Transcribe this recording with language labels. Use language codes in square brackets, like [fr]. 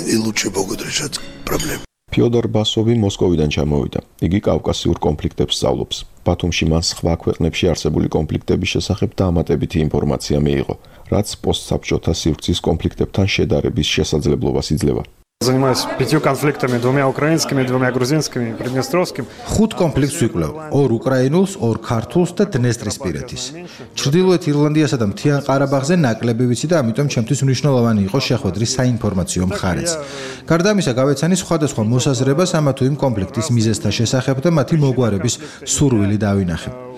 [ka] ფიოდორ ბასოვი მოსკოვიდან ჩამოვიდა. იგი კავკასიურ კონფლიქტებს სწავლობს. ბათუმში მან სხვა ქვეყნებში არსებული კონფლიქტების შესახებ დამატებითი ინფორმაცია მიიღო, რაც პოსტსაბჭოთა სივრცის კონფლიქტებთან შედარების შესაძლებლობას იძლევა. [ru] Занимаюсь пятью конфликтами, двумя украинскими, двумя грузинскими, приднестровским. [ka] Ხუთ კონფლიქტს ვიკვლევ: ორ უკრაინულს, ორ ქართულს და დნესტრისპირეთის. ჩრდილოეთ ირლანდიასა და მთიან ყარაბაღზე ნაკლები ვიცი და ამიტომ ჩემთვის მნიშვნელოვანი იყო შეხვედრის საინფორმაციო მხარეს. გარდა ამისა, გავეცანი სხვადასხვა მოსაზრებას ამა თუ იმ კონფლიქტის მიზეზთა შესახებ და მათი მოგვარების სურვილი დავინახე.